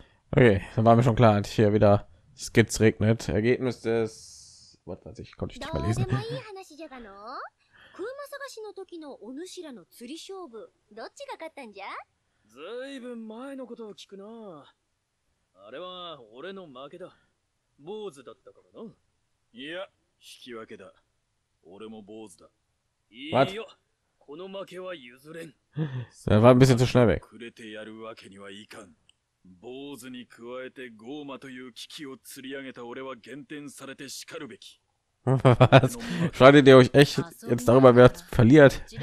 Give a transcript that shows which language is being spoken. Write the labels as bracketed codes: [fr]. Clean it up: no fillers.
[de] Okay, dann war mir schon klar, dass hier wieder Skiz regnet. Ergebnis des... Was weiß ich, konnte ich nicht mal lesen. [ja] クーマ探しの時のお主らの釣り勝負、どっちが勝ったんじゃ? ずいぶん前のことを聞くな。あれは俺の負けだ。坊主だったからな。いや、引き分けだ。俺も坊主だ。いいよ。この負けは譲れん。それはちょっと早い。くれてやるわけにはいかん。坊主に加えてゴーマという危機を釣り上げた俺は減点されて叱るべき。 [de] Schreibt ihr euch echt jetzt darüber, wer verliert?